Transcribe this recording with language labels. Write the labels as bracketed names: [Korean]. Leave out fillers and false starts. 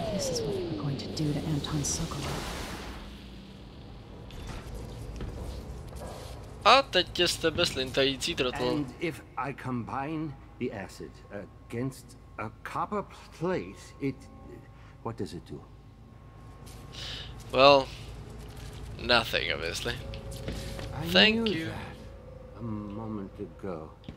[English] This is what we're going to do to Anton Sokolov. [Czech] A teď je z tebe slintající trotl. [English] And if I combine the acid against a copper plate, it... What does it do? Well, nothing, obviously. Thank you. moment ago.